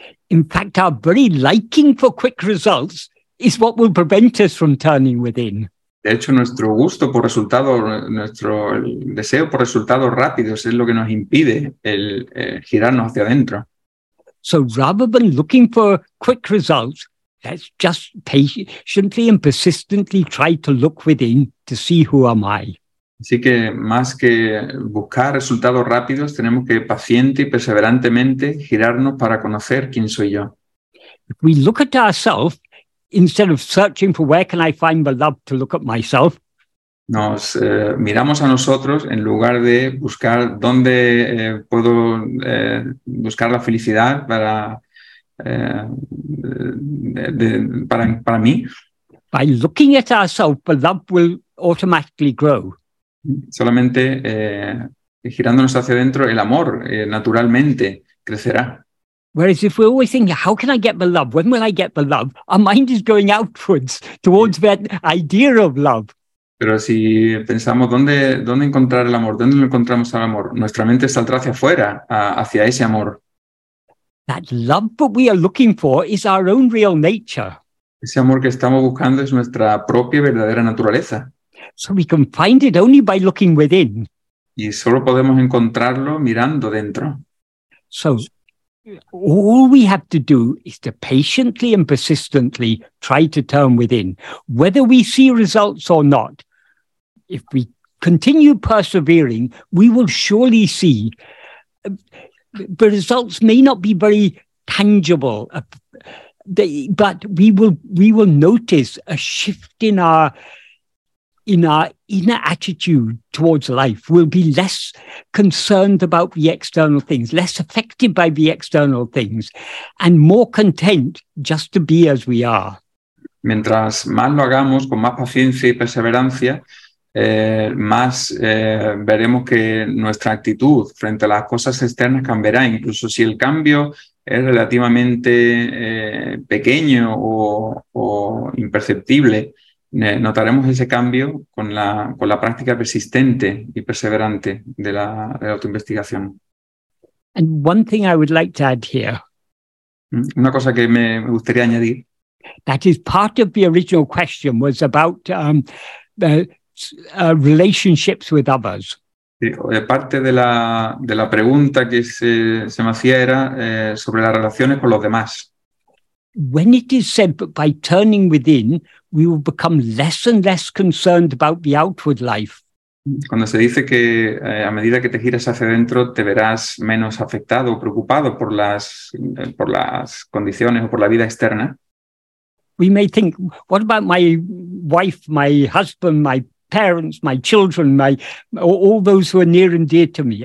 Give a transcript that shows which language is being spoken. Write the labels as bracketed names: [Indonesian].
[English] In fact, our very liking for quick results is what will prevent us from turning within. [Spanish] De hecho, nuestro gusto por resultados, nuestro deseo por resultados rápidos es lo que nos impide el girarnos hacia adentro. [English] So rather than looking for quick results, let's just patiently and persistently try to look within to see who am I. [Spanish] Así que más que buscar resultados rápidos, tenemos que paciente y perseverantemente girarnos para conocer quién soy yo. [English] If we look at ourselves, instead of searching for where can I find the love to look at myself, [Spanish] nos miramos a nosotros en lugar de buscar dónde puedo buscar la felicidad para mí. [English] By looking at ourselves, love will automatically grow. [Spanish] Solamente girándonos hacia adentro, el amor naturalmente crecerá. [English] Whereas if we're always thinking, how can I get the love? When will I get the love? Our mind is going outwards towards that idea of love. [Spanish] Pero si pensamos dónde encontrar el amor, dónde encontramos el amor, nuestra mente saldrá hacia afuera, hacia ese amor. [English] That love that we are looking for is our own real nature. [Spanish] Ese amor que estamos buscando es nuestra propia verdadera naturaleza. [English] So we can find it only by looking within. [Spanish] Y solo podemos encontrarlo mirando dentro. [English] So all we have to do is to patiently and persistently try to turn within. Whether we see results or not, if we continue persevering, we will surely see. The results may not be very tangible, but we will notice a shift in our inner attitude towards life. We'll be less concerned about the external things, less affected by the external things, and more content just to be as we are. [Spanish] Mientras más lo hagamos con más paciencia y perseverancia, más veremos que nuestra actitud frente a las cosas externas cambiará, incluso si el cambio es relativamente pequeño o imperceptible. Notaremos ese cambio con la práctica persistente y perseverante de la autoinvestigación. [English] And one thing I would like to add here. [Spanish] Una cosa que me gustaría añadir. [English] That is part of the original question was about relationships with others. [Spanish] Parte de la pregunta que se me hacía era sobre las relaciones con los demás. [English] When it is said that by turning within, we will become less and less concerned about the outward life. [Spanish] Cuando se dice que a medida que te giras hacia adentro, te verás menos afectado o preocupado por las condiciones o por la vida externa. [English] We may think, what about my wife, my husband, my parents, my children, all those who are near and dear to me?